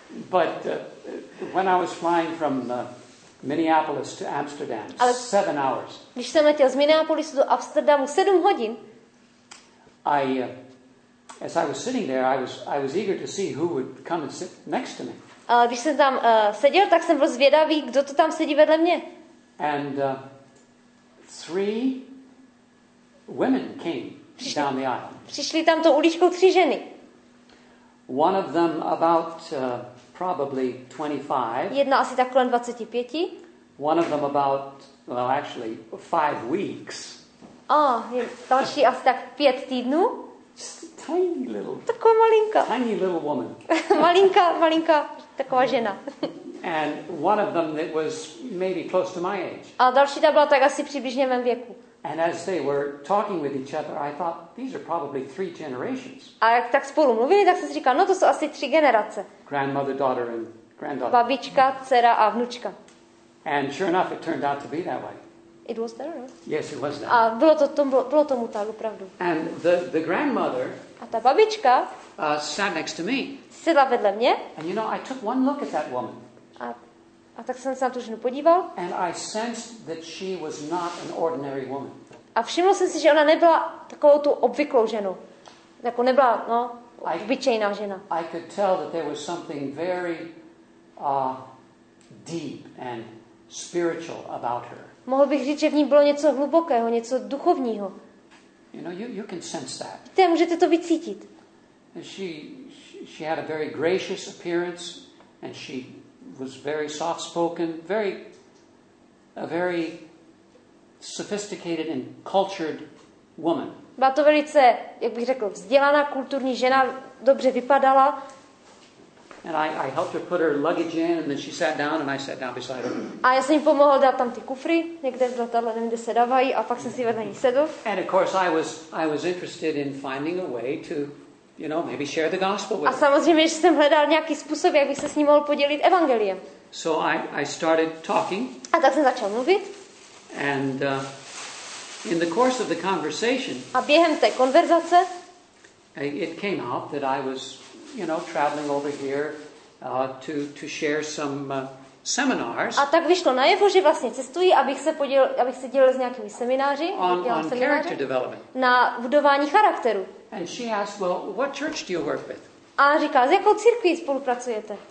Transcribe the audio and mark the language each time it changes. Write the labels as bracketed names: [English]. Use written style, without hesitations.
[English] But when I was flying from Minneapolis to Amsterdam, 7 hours. [Czech] Když jsem letěl z Minneapolisu do Amsterdamu 7 hodin. [English] As I was sitting there, I was eager to see who would come and sit next to me. [Czech] Když jsem tam seděl, tak jsem byl zvědavý, kdo to tam sedí vedle mě. [English] And three women came. Down the aisle. [Czech] Přišli tam tou uličkou tři ženy. [English] One of them about probably 25. [Czech] Jedna asi tak kolem 25. [English] One of them about, well, actually 5 weeks. [Czech] Oh, je další asi tak 5 týdnů. [English] Tiny little. [Czech] Taková malinka. [English] Tiny little woman. [Czech] malinka taková žena. [English] And one of them that was maybe close to my age. [Czech] A další ta byla tak asi přibližně mém věku. [English] And as they were talking with each other, I thought these are probably 3 generations. [Czech] A jak tak spolu mluvili, tak jsem si říkal, no to jsou asi 3 generace. [English] Grandmother, daughter and granddaughter. [Czech] Babička, dcera a vnučka. [English] And sure enough, it turned out to be that way. It was there, right? Yes, it was there. [Czech] A bylo tomu tak opravdu. [English] And the grandmother. [Czech] A ta babička. [English] Sat next to me. [Czech] Sedla vedle mě. [English] And you know, I took one look at that woman. [Czech] A tak jsem se na tu ženu podíval. [English] And I sensed that she was not an ordinary woman. [Czech] A všiml jsem si, že ona nebyla takovou tu obvyklou ženu. Jako nebyla, no, obyčejná žena. [English] I could tell that there was something very deep and spiritual about her. [Czech] Mohl bych říct, že v ní bylo něco hlubokého, něco duchovního. [English] You know, you can sense that. [Czech] Víte, můžete to vycítit. [English] She had a very gracious appearance and she was very soft spoken, a very sophisticated and cultured woman. [Czech] Byla to velice, jak bych řekl, vzdělaná kulturní žena, dobře vypadala. [English] And I helped her put her luggage in and then she sat down and I sat down beside her. [Czech] A já jsem jí pomohl dát tam ty kufry, někde v letadle, nevím, kde se dávají, a pak jsem si vedle ní sedl. [English] And of course I was interested in finding a way to, you know, maybe share the gospel with [Czech] her. A samozřejmě, že jsem hledal nějaký způsob, jak bych se s ní mohl podělit evangeliem. [English] So I started talking. [Czech] A tak jsem začal mluvit. [English] And in the course of the conversation. [Czech] A během té konverzace. [English] It came out that I was, you know, traveling over here to share some seminars. [Czech] A tak vyšlo najevo, že vlastně cestuji, abych se dělil s nějakými semináři. [English] On character development. [Czech] Na budování charakteru. [English] And she asked, "Well, what church do you work with?" [Czech] A říkala, s jakou církví spolupracujete?